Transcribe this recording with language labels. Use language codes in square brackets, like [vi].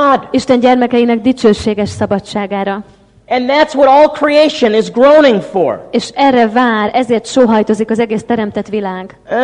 [hu] Isten gyermekeinek dicsőséges szabadságára. [en] And that's what all creation is groaning for. [hu] És erre vár, ezért sóhajtozik az egész teremtett világ.